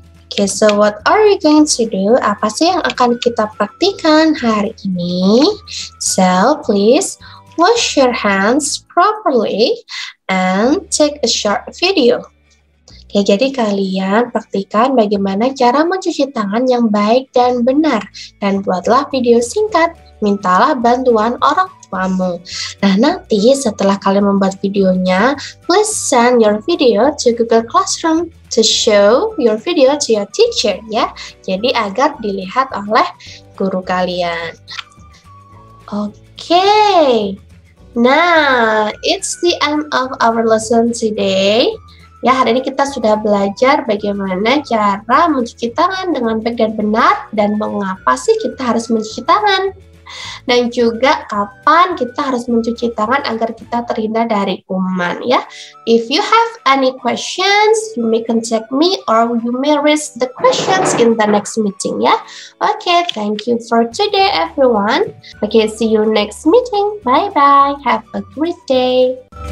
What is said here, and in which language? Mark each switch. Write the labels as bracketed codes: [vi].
[en] Okay, so what are we going to do? [id] Apa sih yang akan kita praktikkan hari ini? [en] So, please wash your hands properly and take a short video. [id] Okay, jadi kalian praktikkan bagaimana cara mencuci tangan yang baik dan benar. Dan buatlah video singkat. Mintalah bantuan orang tuamu. Nah, nanti setelah kalian membuat videonya, [en] please send your video to Google Classroom to show your video to your teacher ya. [id] Jadi agar dilihat oleh guru kalian. [en] Okay. Now, it's the end of our lesson today. [id] Ya, hari ini kita sudah belajar bagaimana cara mencuci tangan dengan baik dan benar dan mengapa sih kita harus mencuci tangan. Dan juga kapan kita harus mencuci tangan agar kita terhindar dari kuman ya. [en] If you have any questions, you may contact me or you may raise the questions in the next meeting ya. Okay, thank you for today everyone. Okay, see you next meeting. Bye-bye. Have a great day.